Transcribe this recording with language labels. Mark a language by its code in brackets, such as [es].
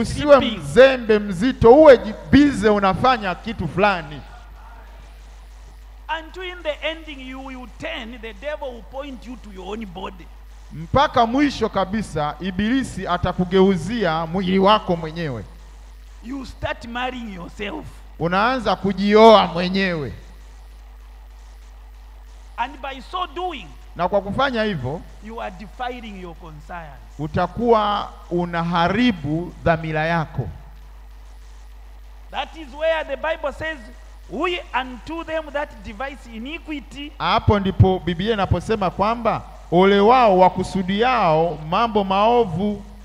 [sw] Usiwe mzembe mzito. Uwe jibize unafanya kitu fulani. [en] Until in the ending you will turn, the devil will point you to your own body. [sw] Mpaka mwisho kabisa, ibilisi atakugeuzia mwili wako mwenyewe. [en] You start marrying yourself. [sw] Unaanza kujioa mwenyewe. [en] And by so doing, [sw] na kwa kufanya hivyo, [en] you are defiling your conscience. [sw] Utakuwa unaharibu dhamira yako. [en] That is where the Bible says, woe unto them that devise iniquity. [sw] Hapo ndipo Biblia inaposema kwamba ole wao wakusudiao mambo maovu.